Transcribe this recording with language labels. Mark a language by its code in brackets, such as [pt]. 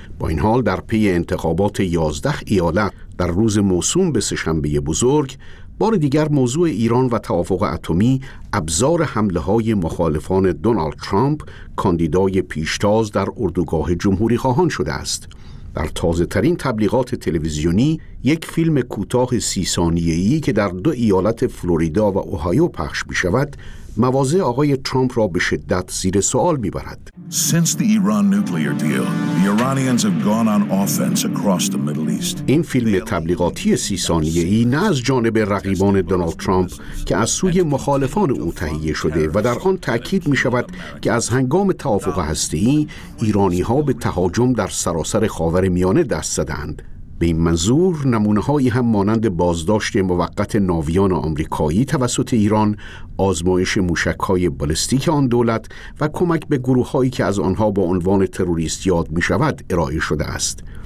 [fa] با این حال در پی انتخابات 11 ایالت در روز موسوم به سه‌شنبه بزرگ، بار دیگر موضوع ایران و توافق اتمی ابزار حمله‌های مخالفان دونالد ترامپ، کاندیدای پیشتاز در اردوگاه جمهوری‌خواهان شده است. در تازه‌ترین تبلیغات تلویزیونی، یک فیلم کوتاه 30 ثانیه‌ای که در 2 ایالت فلوریدا و اوهایو پخش می‌شود، مواضع آقای ترامپ را به شدت زیر سوال می‌برد. [en] Since the Iran nuclear deal, the Iranians have gone on offense across the Middle East. [fa] این فیلم تبلیغاتی 30 ثانیه‌ای نه از جانب رقیبان دونالد ترامپ که از سوی مخالفان او تهیه شده و در آن تاکید می‌شود که از هنگام توافق هسته‌ای ایرانی‌ها به تهاجم در سراسر خاورمیانه دست زدند. به این منظور نمونه‌هایی هم مانند بازداشت موقت ناویان آمریکایی توسط ایران، آزمایش موشک‌های بالستیک آن دولت و کمک به گروه‌هایی که از آنها با عنوان تروریست یاد می‌شود ارائه شده است.